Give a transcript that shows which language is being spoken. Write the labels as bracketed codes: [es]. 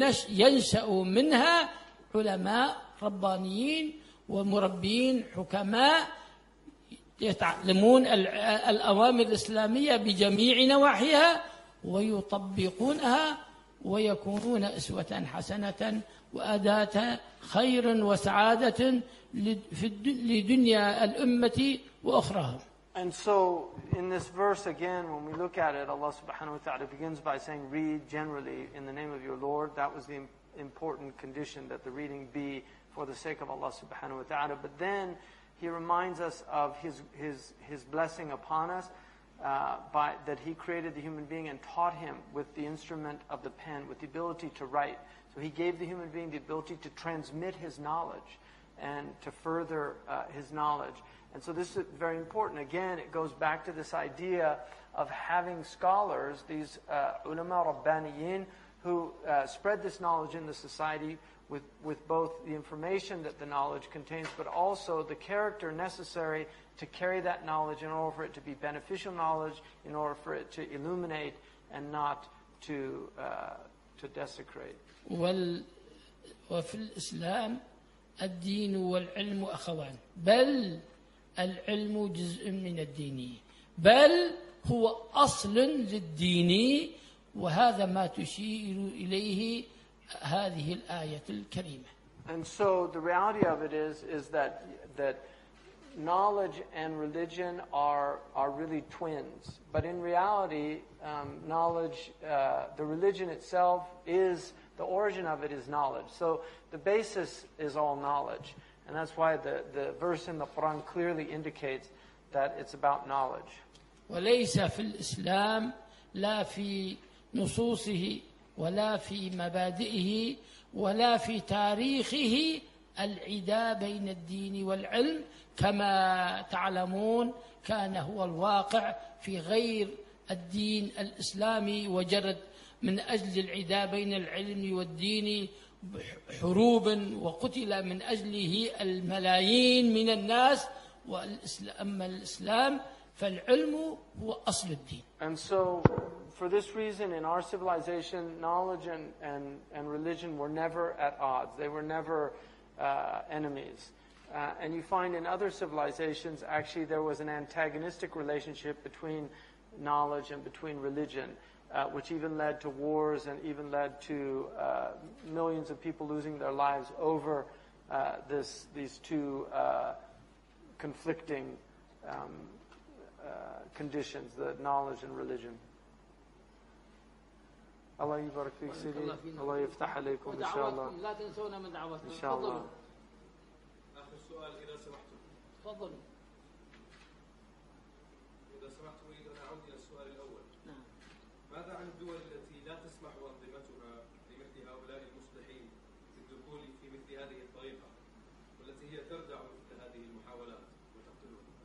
[ar] ينشأ منها علماء ربانيين ومربين حكماء يتعلمون الأوامر الإسلامية بجميع نواحيها ويطبقونها ويكونون أسوة حسنة وأداة خير وسعادة لدنيا الأمة وأخرها. [en] And so in this verse again, when we look at it, Allah subhanahu wa ta'ala begins by saying, read generally in the name of your Lord. That was the important condition, that the reading be for the sake of Allah subhanahu wa ta'ala. But then He reminds us of His blessing upon us, by that He created the human being and taught him with the instrument of the pen, with the ability to write. So He gave the human being the ability to transmit his knowledge and to further his knowledge. And so this is very important. Again, it goes back to this idea of having scholars, these ulama rabbaniyin, who spread this knowledge in the society with both the information that the knowledge contains, but also the character necessary to carry that knowledge in order for it to be beneficial knowledge, in order for it to illuminate and not to to desecrate. [ar] وفي الإسلام الدين والعلم أخوان, بل العلم جزء من الدين, بل هو أصل للدين, وهذا ما تشير إليه هذه الآية الكريمة. [en] And so the reality of it is that knowledge and religion are really twins. But in reality, knowledge, the religion itself is, the origin of it is knowledge. So the basis is all knowledge. And that's why the verse in the Quran clearly indicates that it's about knowledge. [ar] وَلَيْسَ فِي الْإِسْلَامِ لَا فِي نُصُوصِهِ وَلَا فِي مَبَادِئِهِ وَلَا فِي تَارِيخِهِ العداء بين الدين والعلم كما تعلمون كان هو الواقع في غير الدين الإسلامي وجرد من أجل العداء بين العلم والدين حروب وقتل من أجله الملايين من الناس وأما الإسلام فالعلم هو أصل الدين. [en] And so, for this reason, in our civilization, knowledge and religion were never at odds. They were never enemies. And you find in other civilizations, actually, there was an antagonistic relationship between knowledge and between religion, which even led to wars and even led to millions of people losing their lives over these two conflicting conditions, the knowledge and religion. [ar] الله يبارك فيك سيدي الله يفتح عليكم ان شاء الله لا تنسونا من دعواتكم ان شاء الله اخر سؤال اذا سمحتم تفضل اذا سمحتم اريد ان اعود الى السؤال الاول نعم ماذا عن الدول التي لا تسمح انظمتها لمثل هؤلاء المصلحين بالدخول في مثل هذه الطريقه والتي هي تردع مثل هذه المحاولات وتقتلهم